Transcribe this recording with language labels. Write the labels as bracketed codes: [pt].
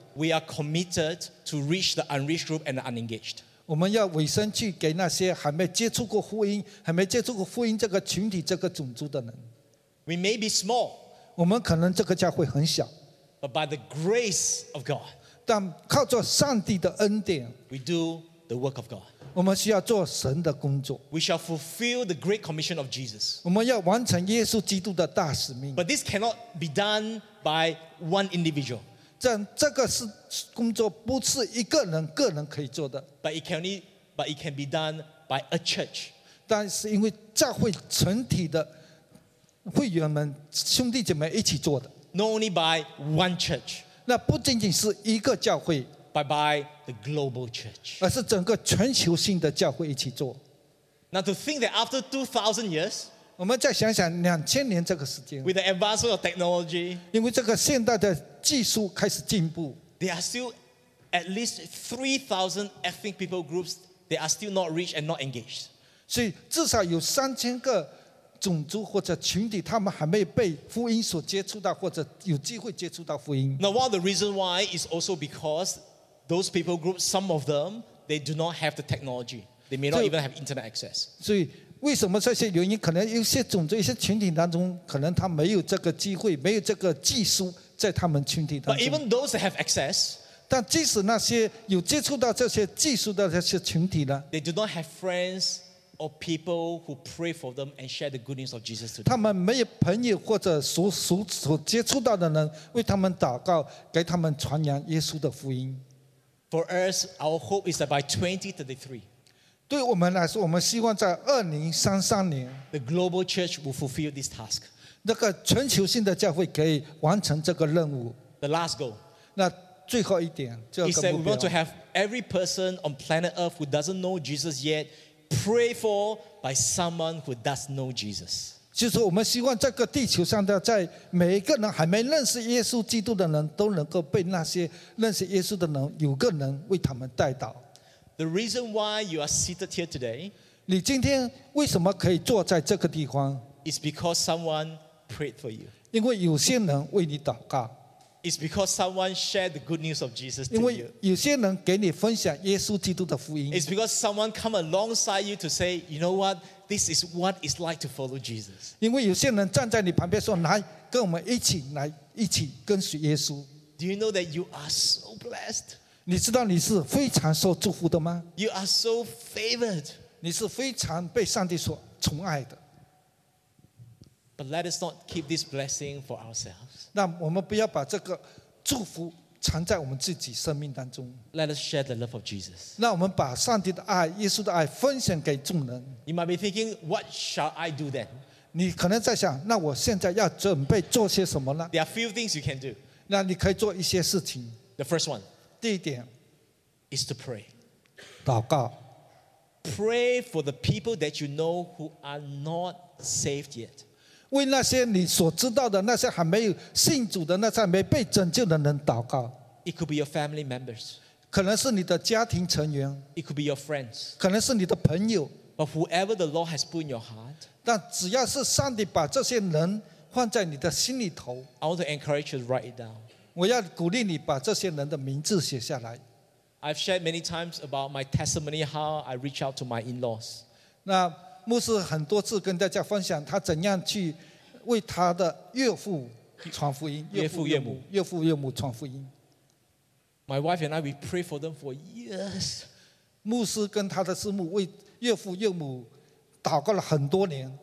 [en] ，we are committed to reach the unreached group and the unengaged. [zh] 我们要委身去给那些还没接触过福音、还没接触过福音这个群体、这个种族的人。 [en] We may be small, [zh] 我们可能这个教会很小 [en] but by the grace of God, [zh] 但靠着上帝的恩典 [en] we do the work of God. [zh] 我们需要做神的工作 [en] we shall fulfill the great commission of Jesus. [zh] 我们要完成耶稣基督的大使命 [en] but this cannot be done by one individual. [zh] 这个是工作不是一个人个人可以做的 [en] but it can be done by a church. [zh] 但是因为教会整体的会员们兄弟姐妹一起做的 [en] Not only by one church [zh] 那不仅仅是一个教会 [en] But by the global church [zh] 而是整个全球性的教会一起做 [en] Now to think that after 2,000 years [zh] 我们再想想2000年这个时间 [en] With the advancement of technology [zh] 因为这个现代的技术开始进步 [en] There are still at least 3,000 ethnic people groups that are still not reached and not engaged [zh] 所以至少有3000个种族或者群体，他们还没被福音所接触到，或者有机会接触到福音。 [en] Now, one of the reasons why is also because those people groups, some of them, they do not have the technology. They may not even have internet access. [zh] 所以，为什么这些原因？可能有些种族、一些群体当中，可能他没有这个机会，没有这个技术在他们群体当中。 [en] But even those that have access, [zh] 但即使那些有接触到这些技术的这些群体呢 [en] ，they do not have friends. Or people who pray for them and share the goodness of Jesus to them. [zh] 他们没有朋友或者所接触到的人为他们祷告，给他们传扬耶稣的福音。 [en] For us, our hope is that by 2033, [zh] 对我们来说，我们希望在2033年 [en] ，the global church will fulfill this task. [zh] 那个全球性的教会可以完成这个任务。 [en] The last goal. [zh] 那最后一点，这个目标。 [en] He said we want to have every person on planet Earth who doesn't know Jesus yet. Pray for by someone who does know Jesus. [zh] 就是我们希望这个地球上的在每一个人还没认识耶稣基督的人都能够被那些认识耶稣的人有个人为他们带祷。 [en] The reason why you are seated here today, [zh] 你今天为什么可以坐在这个地方 [en] ？Is because someone prayed for you. [zh] 因为有些人为你祷告。 [en] Is because someone shared the good news of Jesus to you. [zh] 因为有些人给你分享耶稣基督的福音。 [en] Is because someone come alongside you to say, you know what, this is what it's like to follow Jesus. [zh] 因为有些人站在你旁边说，来跟我们一起来一起跟随耶稣。 [en] Do you know that you are so blessed? [zh] 你知道你是非常受祝福的吗 [en] ？You are so favored. [zh] 你是非常被上帝所宠爱的。 [en] But let us not keep this blessing for ourselves. [zh] 那我们不要把这个祝福藏在我们自己生命当中。 [en] Let us share the love of Jesus. [zh] 那我们把上帝的爱、耶稣的爱分享给众人。 [en] You might be thinking, what shall I do then? [zh] 你可能在想，那我现在要准备做些什么呢 [en] ？There are few things you can do. [zh] 那你可以做一些事情。 [en] The first one. [zh] 第一点 [en] is to pray. [zh] 祷告。 [en] Pray for the people that you know who are not saved yet. [zh] 为那些你所知道的那些还没有信主的那些还没被拯救的人祷告 [en] It could be your family members [zh] 可能是你的家庭成员 [en] It could be your friends [zh] 可能是你的朋友 [en] But whoever the Lord has put in your heart [zh] 但只要是上帝把这些人放在你的心里头 [en] I want to encourage you to write it down [zh] 我要鼓励你把这些人的名字写下来 [en] I've shared many times about my testimony how I reach out to my in-laws [zh] 那牧师很多次跟大家分享他怎样去为他的岳父传福音岳父岳母岳父岳母传福音 [en] My wife and I we pray for them for years [zh] 牧师跟他的师母为岳父岳母祷告了很多年